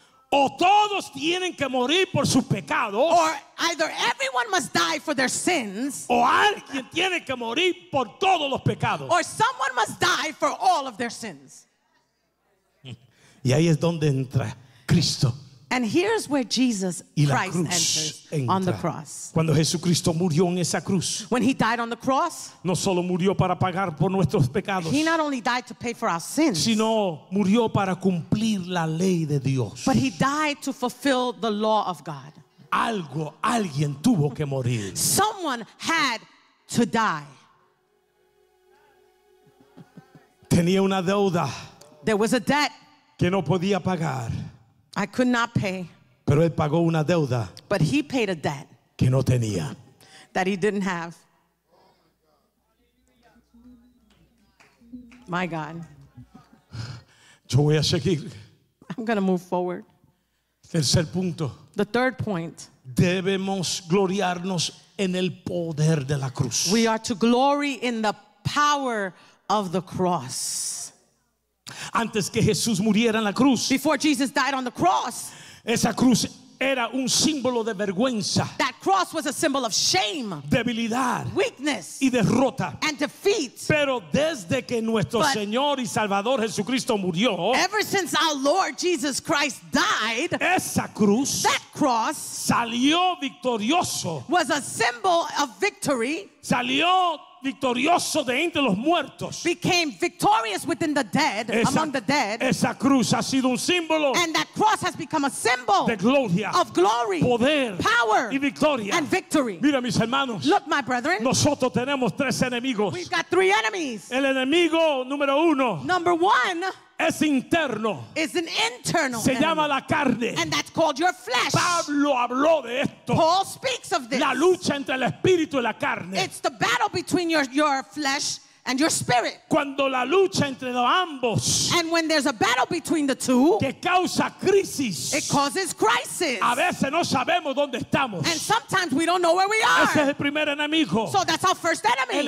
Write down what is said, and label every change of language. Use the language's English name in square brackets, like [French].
[Spanish] O todos tienen que morir por sus pecados. [English] Or either everyone must die for their sins. [Spanish] O alguien tiene que morir por todos los pecados. [English] Or someone must die for all of their sins. [Spanish] Y ahí es donde entra Cristo. [English] And here's where Jesus Christ enters [Spanish] entra. [English] On the cross. [Spanish] Cuando Jesucristo murió en esa cruz. [English] When he died on the cross. [Spanish] No solo murió para pagar por nuestros pecados. [English] He not only died to pay for our sins. [Spanish] Sino murió para cumplir la ley de Dios. [English] But he died to fulfill the law of God. [Spanish] Algo, alguien tuvo que morir. [English] Someone had to die. [Spanish] Tenía una deuda. [English] There was a debt. [Spanish] Que no podía pagar. [English] I could not pay. [Spanish] Pero él pagó una deuda. [English] But he paid a debt. [Spanish] Que no tenía. [English] That he didn't have. My God. [Spanish] Yo voy a seguir. [English] I'm going to move forward. [Spanish] Tercer punto. [English] The third point. [Spanish] Debemos gloriarnos en el poder de la cruz. [English] We are to glory in the power of the cross. [Spanish] Antes que Jesús muriera en la cruz. [English] Before Jesus died on the cross. [Spanish] Esa cruz era un símbolo de vergüenza. [English] That cross was a symbol of shame. [Spanish] Debilidad. [English] Weakness. [Spanish] Y derrota. [English] And defeat. [Spanish] Pero desde que nuestro Señor y Salvador Jesucristo murió. [English] Ever since our Lord Jesus Christ died. [Spanish] Esa cruz. [English] That cross. [Spanish] Salió victorioso. [English] Was a symbol of victory. [Spanish] Salió victorioso de entre los muertos. [English] Became victorious within the dead, [Spanish] esa, [English] among the dead. [Spanish] Esa cruz ha sido un símbolo. [English] And that cross has become a symbol [Spanish] de gloria, [English] of glory, [Spanish] poder, [English] power, [Spanish] y victoria, [English] and victory. [Spanish] Mira, mis hermanos, [English] look, my brethren. [Spanish] Nosotros tenemos tres enemigos. [English] We've got three enemies. [Spanish] El enemigo número uno. [English] Number one. [Spanish] Es interno. [English] Is an internal. [Spanish] Se [English] enemy. [Spanish] Llama la carne. [English] And that's called your flesh. [Spanish] Pablo habló de esto. [English] Paul speaks of this. [Spanish] La lucha entre el espíritu y la carne. [English] It's the battle between your flesh and your spirit. [Spanish] Cuando la lucha entre los ambos. [English] And when there's a battle between the two. [Spanish] Que causa crisis. [English] It causes crisis. [Spanish] A veces no sabemos dónde estamos. [English] And sometimes we don't know where we are. [Spanish] Ese es el primer enemigo. [English] So that's our first enemy.